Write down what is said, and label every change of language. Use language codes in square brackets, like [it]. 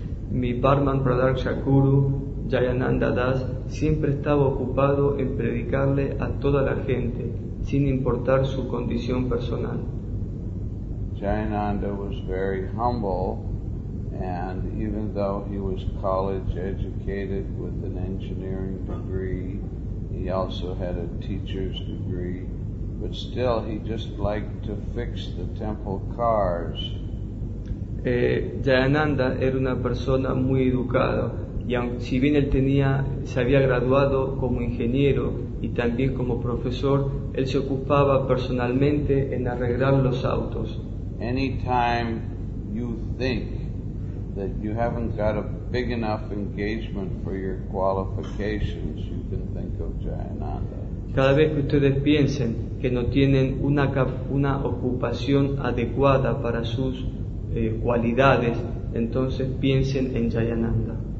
[es] Mi Vartman Pradarsha Guru Jayananda Das siempre estaba ocupado en predicarle a toda la gente, sin importar su condición personal. [en] Jayananda was very humble, and even though he was college educated with an engineering degree, he also had a teacher's degree, but still he just liked to fix the temple cars. [es] Jayananda era una persona muy educada, y si bien él tenía, se había graduado como ingeniero y también como profesor, él se ocupaba personalmente en arreglar los autos. [en] Anytime you think that you haven't got a big enough engagement for your qualifications, you can think of Jayananda. [es] Cada vez que ustedes piensen que no tienen una ocupación adecuada para sus cualidades, entonces piensen en Jayananda.